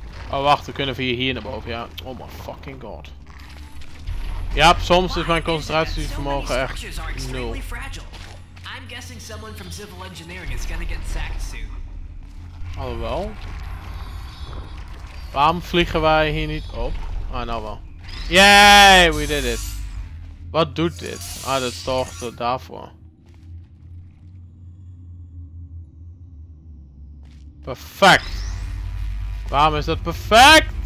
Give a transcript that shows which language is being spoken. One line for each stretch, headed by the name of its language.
Dutch: Oh wacht, we kunnen via hier naar boven, ja.
English: Oh my fucking god.
Dutch: Ja, soms is mijn concentratievermogen echt nul.
English: I'm guessing someone from civil engineering is gonna get sacked soon.
Dutch: Alhoewel. Waarom vliegen wij hier niet op? Ah, nou wel. Yay,
English: we did it.
Dutch: Wat doet dit? Ah, dat is toch daarvoor. Perfect. Waarom is dat perfect?